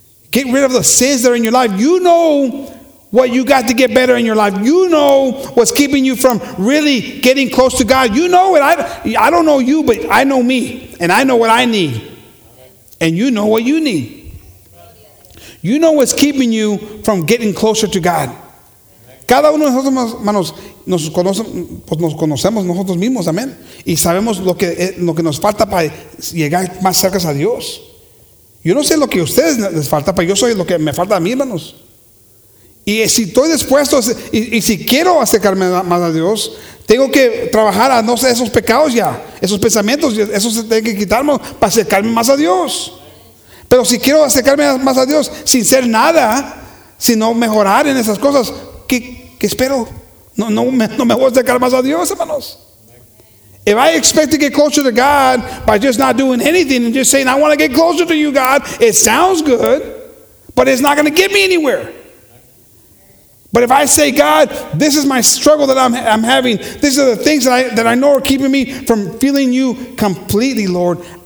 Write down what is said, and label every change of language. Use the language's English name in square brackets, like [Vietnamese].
[English] Get rid of the sins that are in your life. You know what you got to get better in your life. You know what's keeping you from really getting close to God. You know it. I don't know you, but I know me. And I know what I need. And you know what you need. You know what's keeping you from getting closer to God. [Spanish] Cada uno de nosotros, hermanos, nos conocemos nosotros mismos, amén. Y sabemos lo que nos falta para llegar más cerca a Dios. Yo no sé lo que a ustedes les falta, pero yo soy lo que me falta a mí, hermanos. Y si estoy dispuesto, y si quiero acercarme más a Dios, tengo que trabajar a no ser esos pecados ya, esos pensamientos, eso se tiene que quitar para acercarme más a Dios. Pero si quiero acercarme más a Dios sin ser nada, sino mejorar en esas cosas, ¿qué espero? No me voy a acercar más a Dios, hermanos. [English] If I expect to get closer to God by just not doing anything and just saying, I want to get closer to you, God, it sounds good, but it's not going to get me anywhere. But if I say, God, this is my struggle that I'm having. These are the things that I know are keeping me from feeling you completely, Lord.